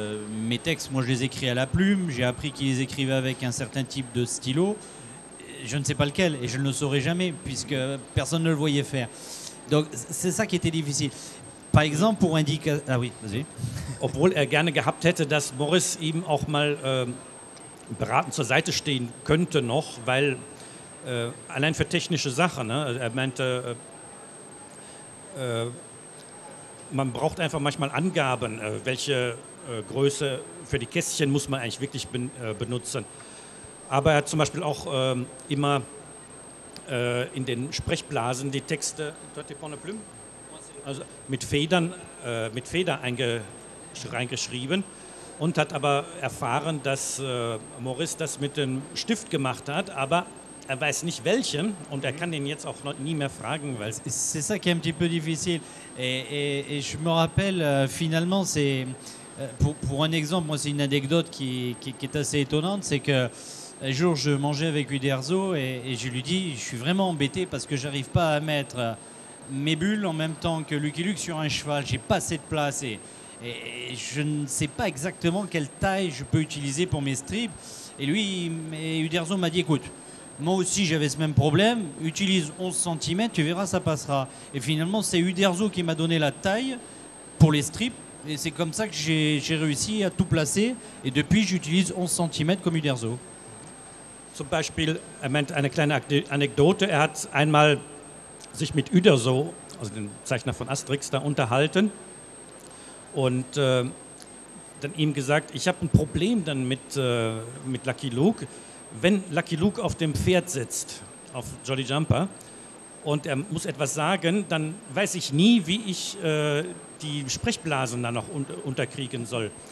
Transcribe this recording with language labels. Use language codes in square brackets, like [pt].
[fr] Mes textes, moi je les écris à la plume, j'ai appris qu'il les écrivait avec un certain type de stylo, je ne sais pas lequel et je ne le saurais jamais puisque personne ne le voyait faire. Donc c'est ça qui était difficile. Par exemple pour indiquer... Ah oui, vas-y. [de] Obwohl gerne gehabt hätte, dass Maurice ihm auch mal beraten zur Seite stehen könnte noch, weil allein für technische Sachen. Ne? Er meinte, man braucht einfach manchmal Angaben, welche Größe für die Kästchen muss man eigentlich wirklich benutzen. Aber er hat zum Beispiel auch immer in den Sprechblasen die Texte also mit Feder reingeschrieben und hat aber erfahren, dass Maurice das mit dem Stift gemacht hat, aber er weiß nicht welchen und er kann ihn jetzt auch noch nie mehr fragen, weil [fr] c'est ça qui est un petit peu difficile. Et je me rappelle finalement c'est pour un exemple, moi c'est une anecdote qui est assez étonnante, c'est que un jour je mangeais avec Uderzo et je lui dis je suis vraiment embêté parce que j'arrive pas à mettre mes bulles en même temps que Lucky Luke sur un cheval, j'ai pas assez de place et je ne sais pas exactement quelle taille je peux utiliser pour mes strips. Et lui, Uderzo m'a dit écoute, moi aussi j'avais ce même problème, utilise 11 cm, tu verras ça passera. Et finalement c'est Uderzo qui m'a donné la taille pour les strips et c'est comme ça que j'ai réussi à tout placer et depuis j'utilise 11 cm comme Uderzo. [de] Zum Beispiel, er meint eine kleine Anekdote, er hat einmal sich mit Uderzo, also dem Zeichner von Asterix, da unterhalten und dann ihm gesagt, ich habe ein Problem dann mit Lucky Luke. Wenn Lucky Luke auf dem Pferd sitzt, auf Jolly Jumper, und er muss etwas sagen, dann weiß ich nie, wie ich die Sprechblasen da noch unterkriegen soll.